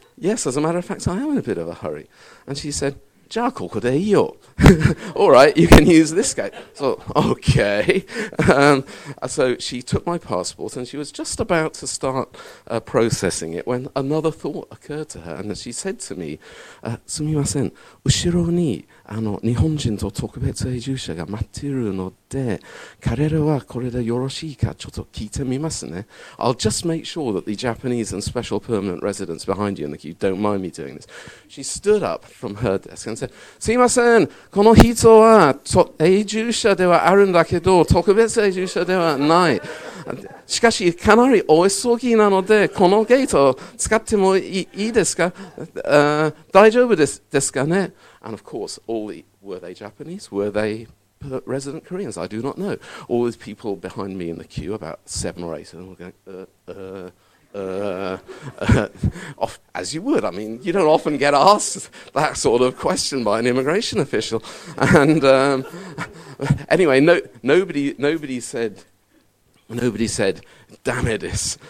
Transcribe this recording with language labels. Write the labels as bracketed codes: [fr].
[en] "Yes, as a matter of fact, I am in a bit of a hurry." And she said, [ja] "Ja, koko de iyo." [en] "All right, you can use this guy." So, okay. So she took my passport, and she was just about to start processing it when another thought occurred to her, and she said to me, [ja] "Sumimasen, ushiro ni あの日本人と特別移住者が待ってるので、彼らはこれでよろしいかちょっと聞いてみますね。 [en] I'll just make sure that the Japanese and special permanent residents behind you in the queue don't mind me doing this. She stood up from her desk and said, [ja] すいません、この人は移住者ではあるんだけど、特別移住者ではない。しかし、かなりお急ぎなので、このゲートを使ってもいいですか、大丈夫ですかね。 [en] And of course, were they Japanese? Were they resident Koreans? I do not know. All these people behind me in the queue, about 7 or 8 of them, were going, off, as you would. I mean, you don't often get asked that sort of question by an immigration official. And anyway, nobody said, damn it, is.